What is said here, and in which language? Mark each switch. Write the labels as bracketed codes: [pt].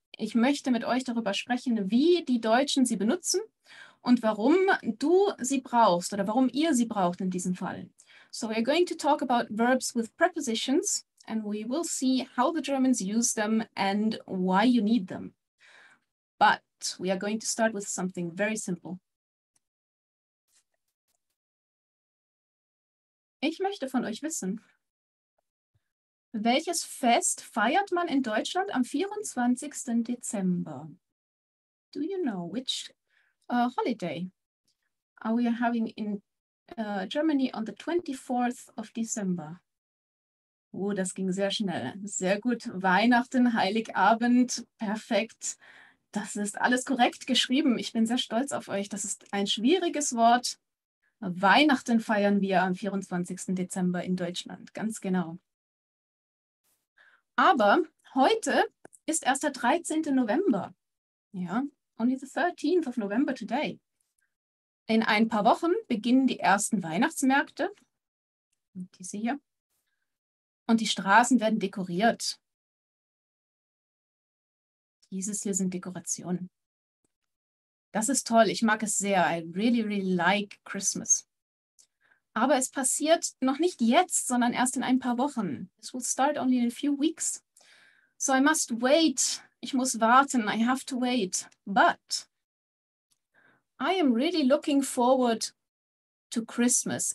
[de] Ich möchte mit euch darüber sprechen, wie die Deutschen sie benutzen und warum du sie brauchst oder warum ihr sie braucht in diesem Fall. [en] So, we're going to talk about verbs with prepositions and we will see how the Germans use them and why you need them. But we are going to start with something very simple. [de] Ich möchte von euch wissen, welches Fest feiert man in Deutschland am 24. Dezember? [en] Do you know which holiday are we having in Germany on the 24th of December? [de] Oh, das ging sehr schnell. Sehr gut. Weihnachten, Heiligabend, perfekt. Das ist alles korrekt geschrieben. Ich bin sehr stolz auf euch. Das ist ein schwieriges Wort. Weihnachten feiern wir am 24. Dezember in Deutschland. Ganz genau. Aber heute ist erst der 13. November. [en] Ja, only the 13th of November today. [de] In ein paar Wochen beginnen die ersten Weihnachtsmärkte. Diese hier. Und die Straßen werden dekoriert. Dieses hier sind Dekorationen. Das ist toll. Ich mag es sehr. [en] I really, really like Christmas. [de] Aber es passiert noch nicht jetzt, sondern erst in ein paar Wochen. [en] This will start only in a few weeks. So I must wait. [de] Ich muss warten. [en] I have to wait. But I am really looking forward to Christmas.